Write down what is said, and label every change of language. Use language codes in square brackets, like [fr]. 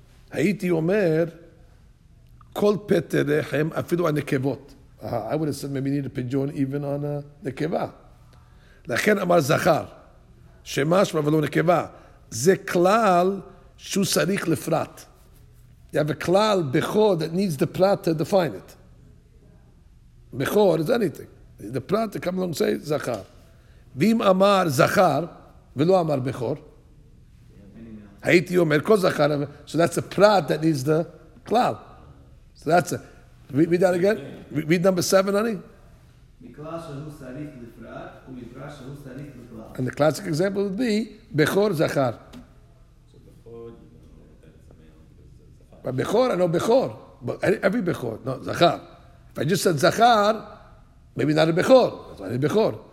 [he] הייתי אומר, כל פטריכם אפילו הנקבות. [en] I would have said maybe need a pigeon even on a [he] נקבה. לכן אמר זכר, שמשמע ולא נקבה, זה כלל שהוא צריך לפרט. [en] You have a כלל, בכור, that needs the prat to define it. בכור is anything. The prat, to come along and say, זכר. [he] ואם אמר זכר, ולא אמר בכור, הייתי אומר, כל זכר, [en] so that's a prat that needs the כלל. So that's a, read that again, read number seven, honey. And the classic example would be Bechor Zachar. But Bechor, I know Bechor. But every Bechor, not Zachar. If I just said Zachar, maybe not a Bechor. That's why I need Bechor.